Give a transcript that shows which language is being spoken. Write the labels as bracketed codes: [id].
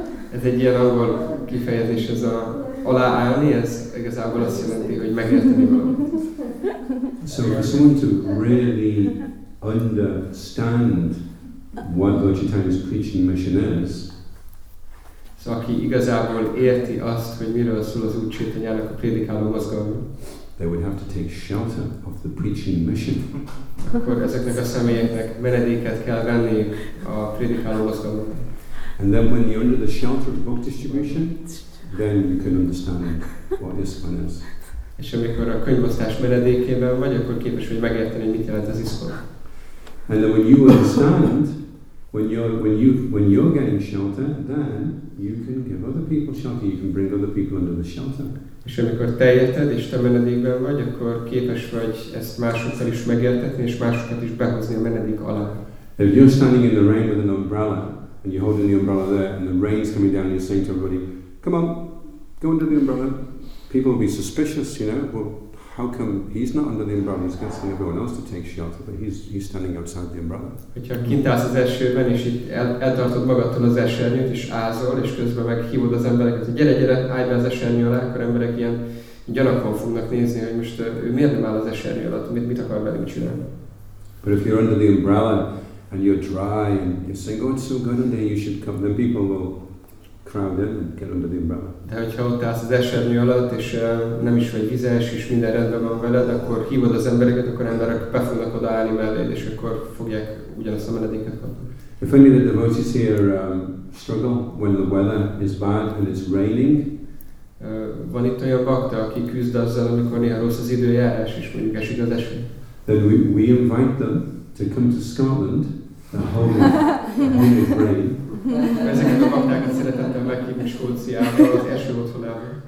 [hu] Ez egy ilyen angol kifejezés, ez a aláállni, ez igazából azt jelenti, hogy megérteni valamit. [en] So for someone to really understand what Lord Chaitanya's preaching mission is. [hu] So aki igazából érti azt, hogy miről szól az Úr Chaitanyának a prédikáló mozgalma. [en] They would have to take shelter of the preaching mission. [hu] Akkor ezeknek a személyeknek menedéket kell venni a prédikáló mozgalma. [en] And then when you're under the shelter of book distribution, then you can understand what ISKCON is. [hu] És amikor a könyvosztás menedékében vagy, akkor képes vagy megérteni, mit jelent az ISKCON. [en] And then when you understand, when you're getting shelter, then you can give other people shelter, you can bring other people under the shelter. [hu] És amikor te érted és te menedékben vagy, akkor képes vagy ezt másokkal is megértetni és másokat is behozni a menedék alá. [en] If you're standing in the rain with an umbrella, and you're holding the umbrella there, and the rain's coming down, and you're saying to everybody, come on, go under the umbrella. People will be suspicious, you know, well, how come he's not under the umbrella? He's asking everyone else to take shelter, but he's standing outside the umbrella. [hu] Hogyha kint állsz az esőben, és itt eltartod magadtól az esernyőt, és ázol, és közben meghívod az embereket, hogy gyere, állj be az esernyő alá, akkor emberek ilyen gyanakon fognak nézni, hogy most ő miért nem áll az esernyő alatt, mit akar velünk csinálni. [en] But if you're under the umbrella, and you're dry, and you're saying, oh, it's so good under here, you should come. Then people will crowd in and get under the umbrella. [hu] De hogyha ott állsz az esernyő alatt, és nem is vagy vizes, és minden rendben van veled, akkor hívod az embereket, akkor emberek be fognak odaállni melléd, és akkor fogják ugyanazt a menedéket kapni. [en] If only the devotees here struggle when the weather is bad and it's raining. [hu] Van itt olyan bakta, aki küzd azzal, amikor néha rossz az időjárás, és mondjuk esik az eső. [en] Then we invite them to come to Scotland, the home of rain. [hu] Ezeket a baktákat szeretettel meghívni Skóciába, az első otthonába.